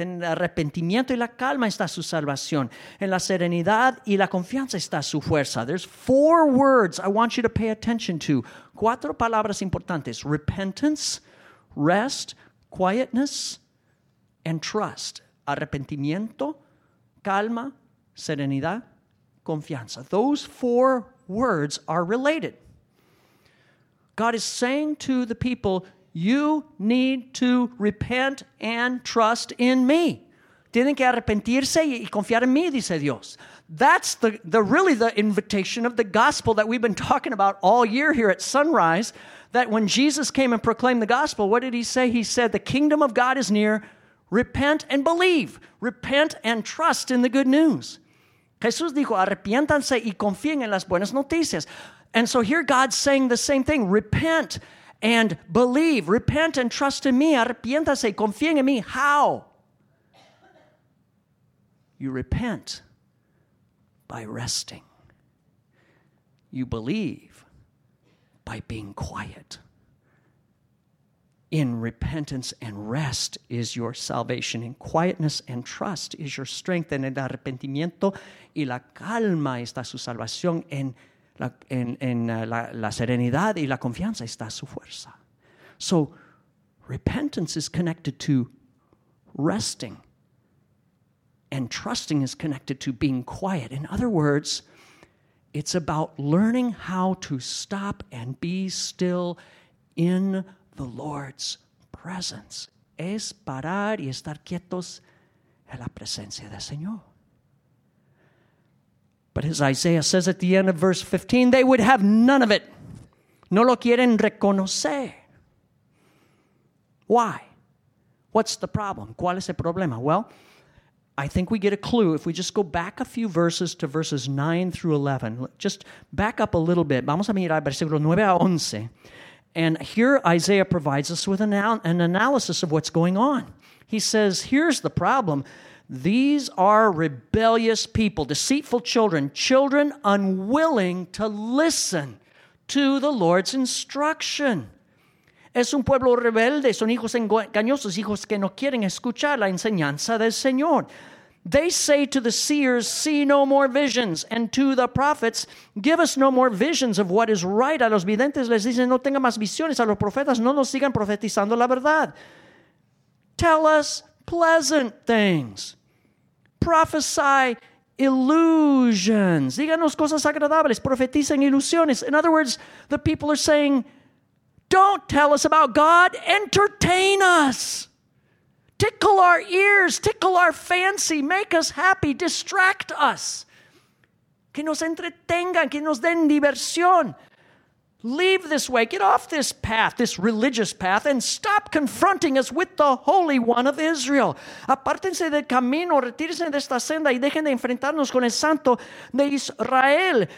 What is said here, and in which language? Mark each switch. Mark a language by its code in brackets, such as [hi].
[es] En el arrepentimiento y la calma está su salvación. En la serenidad y la confianza está su fuerza. [en] There's four words I want you to pay attention to. [es] Cuatro palabras importantes. [en] Repentance, rest, quietness, and trust. [es] Arrepentimiento, calma, serenidad, confianza. [en] Those four words are related. God is saying to the people, you need to repent and trust in me. [es] Tienen que arrepentirse y confiar en mí, dice Dios. [en] That's the invitation of the gospel that we've been talking about all year here at Sunrise, that when Jesus came and proclaimed the gospel, what did he say? He said, the kingdom of God is near. Repent and believe. Repent and trust in the good news. [es] Jesús dijo, arrepiéntanse y confíen en las buenas noticias. [en] And so here God's saying the same thing. Repent and believe. Repent and trust in me. [es] Arrepiéntase, confíen en mí. [en] How? You repent by resting. You believe by being quiet. In repentance and rest is your salvation. In quietness and trust is your strength. [es] En el arrepentimiento y la calma está su salvación. En la serenidad y la confianza está su fuerza. [en] So, repentance is connected to resting. And trusting is connected to being quiet. In other words, it's about learning how to stop and be still in the Lord's presence. [es] Es parar y estar quietos en la presencia del Señor. [en] But as Isaiah says at the end of verse 15, they would have none of it. [es] No lo quieren reconocer. [en] Why? What's the problem? [es] ¿Cuál es el problema? [en] Well, I think we get a clue if we just go back a few verses to verses 9 through 11. Just back up a little bit. [es] Vamos a mirar versículo 9 a 11. [en] And here Isaiah provides us with an analysis of what's going on. He says, here's the problem. These are rebellious people, deceitful children, children unwilling to listen to the Lord's instruction. [es] Es un pueblo rebelde, son hijos engañosos, hijos que no quieren escuchar la enseñanza del Señor. [en] They say to the seers, see no more visions, and to the prophets, give us no more visions of what is right. [es] A los videntes les dicen, no tenga más visiones. A los profetas, no nos sigan profetizando la verdad. [en] Tell us pleasant things. Prophesy illusions. [es] Díganos cosas agradables. Profeticen ilusiones. [en] In other words, the people are saying, don't tell us about God. Entertain us. Tickle our ears. Tickle our fancy. Make us happy. Distract us. [es] Que nos entretengan. Que nos den diversión. [en] Leave this way. Get off this path, this religious path, and stop confronting us with the Holy One of Israel. [es] Apártense del camino, retírense de esta senda y dejen de enfrentarnos con el Santo de Israel.